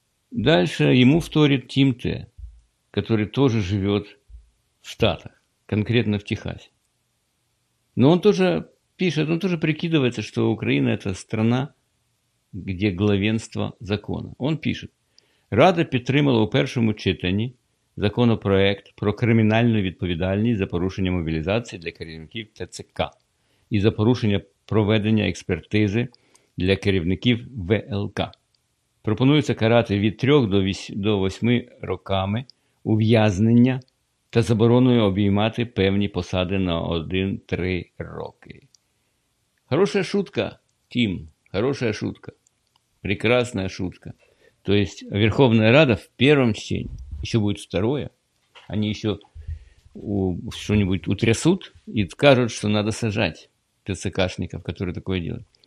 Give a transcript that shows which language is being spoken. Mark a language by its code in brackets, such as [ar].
[ru] Дальше ему вторит Тим Т, который тоже живет в Штатах, конкретно в Техасе. Но он тоже пишет, он тоже прикидывается, что Украина – это страна, где главенство закона. Он пишет, [uk] Рада підтримала у першому читанні законопроект про кримінальну відповідальність за порушення мобілізації для керівників ТЦК і за порушення проведення експертизи для керівників ВЛК. Пропонується карати від 3 до 8 роками ув'язнення та забороною обіймати певні посади на 1-3 роки. [ru] Хорошая шутка, Тим, хорошая шутка, прекрасная шутка. То есть Верховная Рада в первом чтении, еще будет второе, они еще что-нибудь утрясут и скажут, что надо сажать ТЦКшников, которые такое делают.